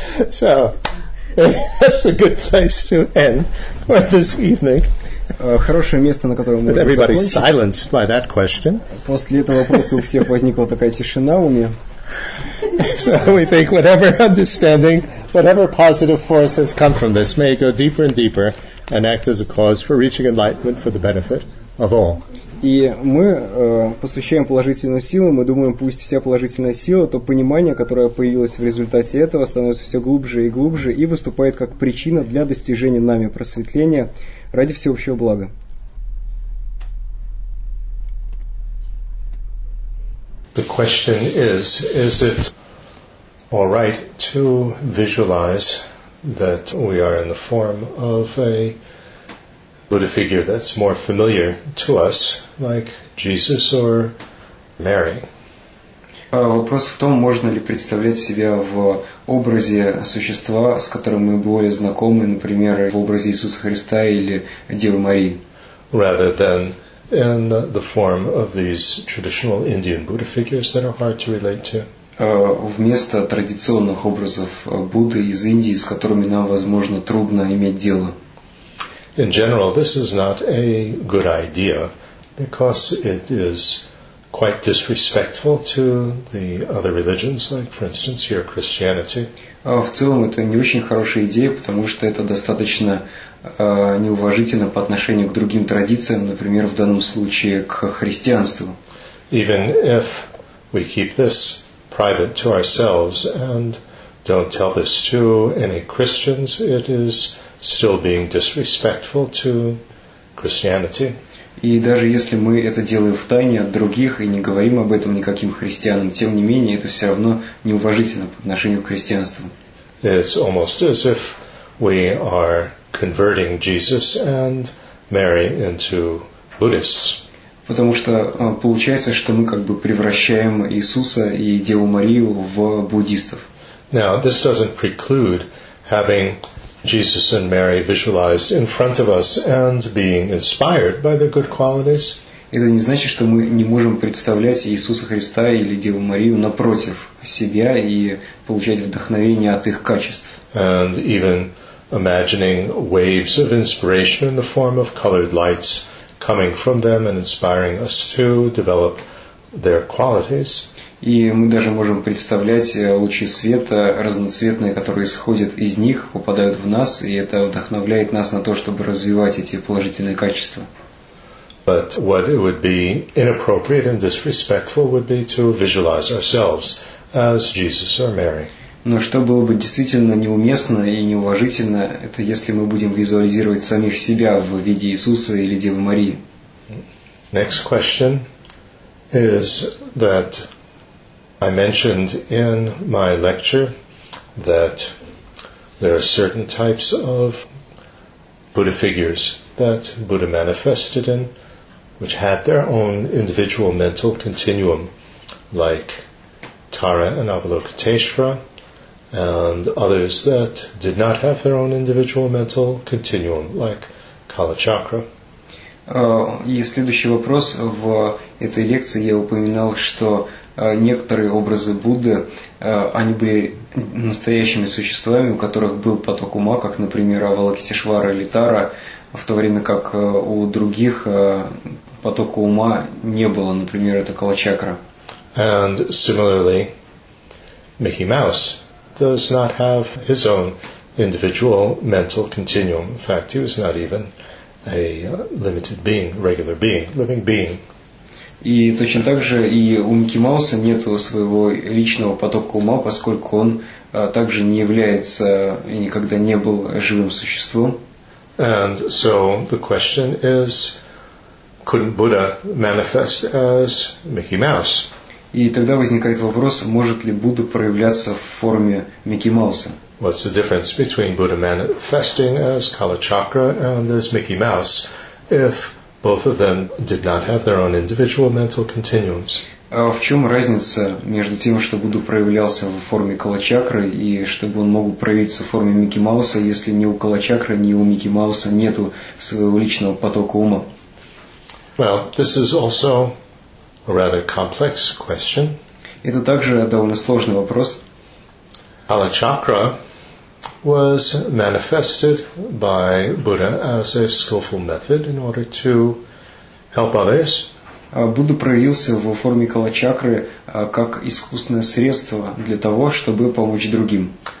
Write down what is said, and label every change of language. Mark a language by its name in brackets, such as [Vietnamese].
[English] So, that's a good place to end for this evening. [Russian] Хорошее место, на котором мы [English] Everybody silenced by that question. [Russian] После этого вопроса у всех возникла такая тишина в уме. [English] So we think whatever understanding, whatever positive force has come from this may go deeper and deeper and act as a cause for reaching enlightenment for the benefit of all. [Russian] И мы посвящаем положительную силу, мы думаем, пусть вся положительная сила, то понимание, которое появилось в результате этого, становится все глубже и глубже и выступает как причина для достижения нами просветления ради всеобщего блага. [English] The question is it all right to visualize that we are in the form of a Buddha figure that's more familiar to us, like Jesus or Mary? [Russian] Вопрос в том, можно ли представлять себя в образе существа, с которым мы более знакомы, например, в образе Иисуса Христа или Девы Марии. [English] Rather than in the form of these traditional Indian Buddha figures that are hard to relate to. [Russian] Вместо традиционных образов Будды из Индии, с которыми нам, возможно, трудно иметь дело. [English] In general, this is not a good idea because it is quite disrespectful to the other religions, like, for instance, your Christianity. [Russian] В целом это не очень хорошая идея, потому что это достаточно неуважительно по отношению к другим традициям, например, в данном случае к христианству. [English] Even if we keep this private to ourselves and don't tell this to any Christians, it is still being disrespectful to Christianity. [Russian] И даже если мы это делаем втайне от других и не говорим об этом никаким христианам, тем не менее, это все равно неуважительно по отношению к христианству. [English] It's almost as if we are converting Jesus and Mary into Buddhists. [Russian] Потому что получается, что мы как бы превращаем Иисуса и Деву Марию в буддистов. [English] Now, this doesn't preclude having Jesus and Mary visualized in front of us and being inspired by their good qualities. [Russian] Это не значит, что мы не можем представлять Иисуса Христа или Деву Марию напротив себя и получать вдохновение от их качеств. [English] And even imagining waves of inspiration in the form of colored lights coming from them and inspiring us to develop their qualities. [Russian] И мы даже можем представлять лучи света разноцветные, которые исходят из них, попадают в нас, и это вдохновляет нас на то, чтобы развивать эти положительные качества. [English] But what it would be inappropriate and disrespectful would be to visualize ourselves as Jesus or Mary. [Russian] Но что было бы действительно неуместно и неуважительно, это если мы будем визуализировать самих себя в виде Иисуса или Девы Марии. [English] Next question is that I mentioned in my lecture that there are certain types of Buddha figures that Buddha manifested in, which had their own individual mental continuum, like Tara and Avalokiteshvara, and others that did not have their own individual mental continuum, like Kalachakra. [Russian] И следующий вопрос. В этой лекции я упоминал, что некоторые образы Будды, они были настоящими существами, у которых был поток ума, как, например, Авалокитешвара или Тара, в то время как у других потока ума не было, например, это Калачакра. [English] And similarly, Микки Маус does not have his own individual mental continuum. In fact, he was not even a limited being, regular being, living being. [Russian] И точно так же и у Микки Мауса нет своего личного потока ума, поскольку он также не является и никогда не был живым существом. [English] And so the question is, couldn't Buddha manifest as Mickey Mouse? [Russian] И тогда возникает вопрос, может ли Будда проявляться в форме Микки Мауса? [English] What's the difference between Buddha manifesting as Kalachakra and as Mickey Mouse if both of them did not have their own individual mental continuums? [Russian] В чем разница между тем, что Будда проявлялся в форме Калачакры и чтобы он мог проявиться в форме Микки Мауса, если ни у Калачакры, ни у Микки Мауса нету своего личного потока ума? [English] Well, this is also a rather complex question. [Russian] Это также довольно сложный вопрос. [English] Kalachakra was manifested by Buddha as a skillful method in order to help others. [Russian] Будда проявился в форме калачакры как искусственное средство для того, чтобы помочь другим.